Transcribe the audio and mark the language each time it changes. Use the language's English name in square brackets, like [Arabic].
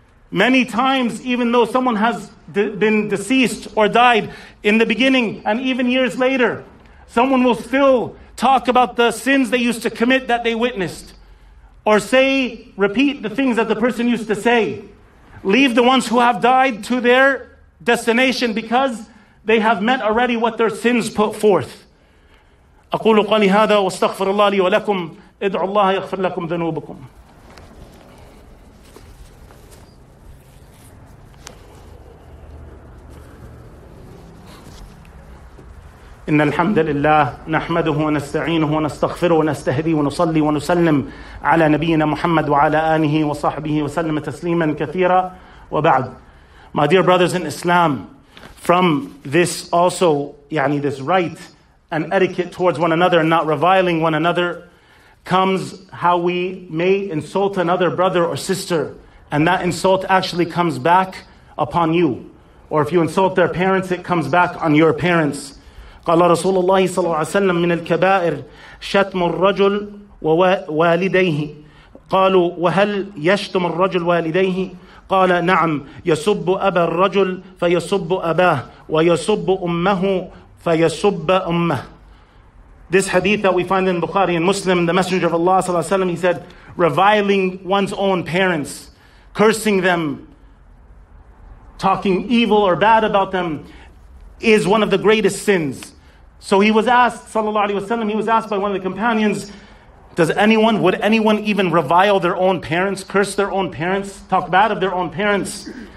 [English] Many times, even though someone has been deceased or died in the beginning, and even years later, someone will still talk about the sins they used to commit that they witnessed, or say, repeat the things that the person used to say. Leave the ones who have died to their destination, because they have met already what their sins put forth. [Arabic] أقول قولي هذا واستغفر الله لي ولكم ادعوا الله يغفر لكم ذنوبكم. إن الحمد لله نحمده ونستعينه ونستغفره ونستهدي ونصلي ونسلم على نبينا محمد وعلى آله وصحبه وسلم تسليما كثيرا وبعد. [English] My dear brothers in Islam, from this also, يعني this right and etiquette towards one another and not reviling one another comes how we may insult another brother or sister, and that insult actually comes back upon you. Or if you insult their parents, it comes back on your parents. [Arabic] قال رسول الله صلى الله عليه وسلم من الكبائر شتم الرجل ووالديه قالوا وهل يشتم الرجل والديه قال نعم يسب أبا الرجل فيسب أباه ويسب أمه فيسب أمه. [English] This hadith that we find in Bukhari and Muslim, the Messenger of Allah [Arabic] صلى الله عليه وسلم, [English] he said, reviling one's own parents, cursing them, talking evil or bad about them, is one of the greatest sins. So he was asked, sallallahu alaihi wasallam, he was asked by one of the companions, would anyone even revile their own parents, curse their own parents, talk bad of their own parents?